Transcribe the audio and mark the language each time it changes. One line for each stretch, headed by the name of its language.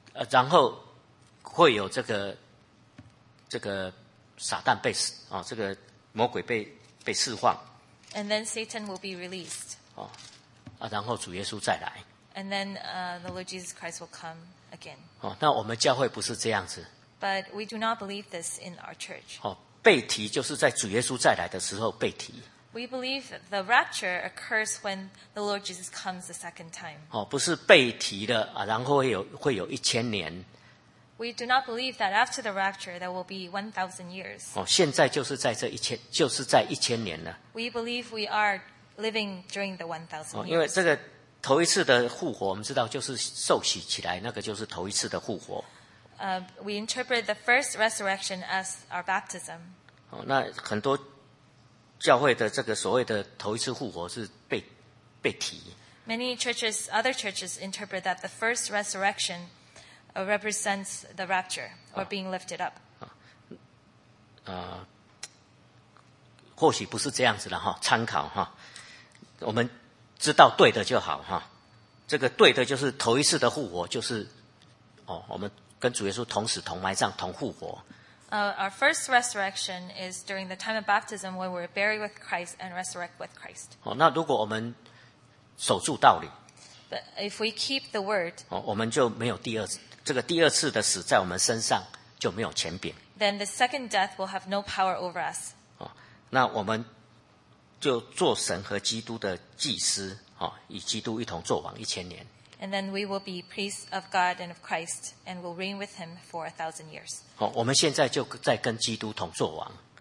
Chinese: 然后会有这个撒旦被这个魔鬼被释放。
English: And then Satan will be released.
Chinese: 然后主耶稣再来。
English: And then the Lord Jesus Christ will come again.
Chinese: 那我们教会不是这样子。
English: But we do not believe this in our church.
Chinese: 被提就是在主耶稣再来的时候被提。
English: We believe the rapture occurs when the Lord Jesus comes the second time.
Chinese: 不是被提的啊，然后会有一千年。
English: We do not believe that after the rapture there will be 1,000 years.
Chinese: 现在就是在这一千，就是在一千年了。
English: We believe we are living during the 1,000 years.
Chinese: 因为这个头一次的复活，我们知道就是受洗起来，那个就是头一次的复活。
English: We interpret the first resurrection as our baptism.
Chinese: 那很多。教会的这个所谓的头一次复活是被提。
English: Many churches, other churches interpret that the first resurrection represents the rapture or being lifted up.
Chinese: 或许不是这样子的哈，参考哈，我们知道对的就好哈。这个对的就是头一次的复活，就是我们跟主耶稣同死同埋葬同复活。
English: Our first resurrection is during the time of baptism when we're buried with Christ and resurrect with Christ.
Chinese: 那如果我们守住道理。
English: But if we keep the word,
Chinese: 我们就没有第二次，这个第二次的死在我们身上就没有权柄。
English: Then the second death will have no power over us.
Chinese: 那我们就做神和基督的祭司，与基督一同作王一千年。
English: And then we will be priests of God and of Christ, and will reign with Him for 1,000 years.
Chinese: 我们现在就在跟基督同作王。